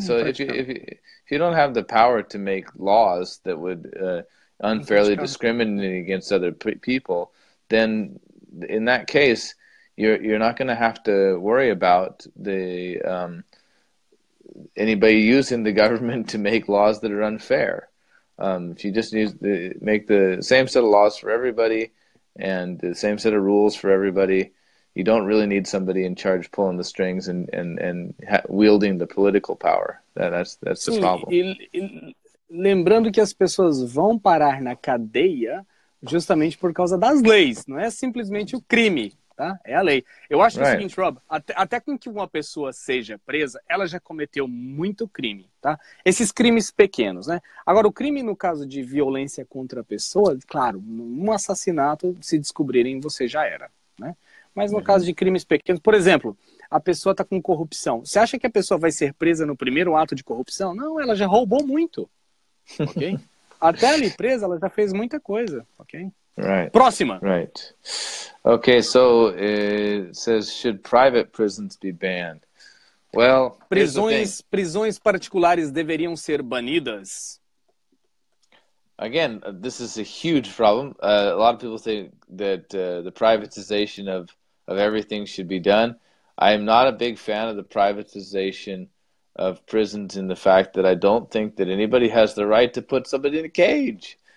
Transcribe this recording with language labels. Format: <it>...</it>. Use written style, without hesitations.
<en>So if you don't have the power to make laws that would unfairly discriminate against other people, then in that case, you're not going to have to worry about the anybody using the government to make laws that are unfair. If you just make the same set of laws for everybody and the same set of rules for everybody, you don't really need somebody in charge pulling the strings and wielding the political power. That's</en> <pt>sim,</pt> <en>the problem.</en> <pt>E lembrando que as pessoas vão parar na cadeia justamente por causa das leis. Não é simplesmente o crime, tá? É a lei. Eu acho que é o seguinte, Rob, até com que uma pessoa seja presa, ela já cometeu muito crime, tá? Esses crimes pequenos, né? Agora, o crime no caso de violência contra a pessoa, claro, um assassinato, se descobrirem, você já era, né? Mas no caso de crimes pequenos, por exemplo, a pessoa está com corrupção. Você acha que a pessoa vai ser presa no primeiro ato de corrupção? Não, ela já roubou muito. Ok? Até ali presa, ela já fez muita coisa. Ok?</pt> <en>Right.</en> <pt>Próxima.</pt> <en>Right. Okay, so it says, should private prisons be banned? Well,</en> <pt>prisões particulares deveriam ser banidas?</pt> <en>Again, this is a huge problem. A lot of people think that the privatization of everything should be done. I am not a big fan of the privatization of prisons in the fact that I don't think that anybody has the right to put somebody in a cage.</en>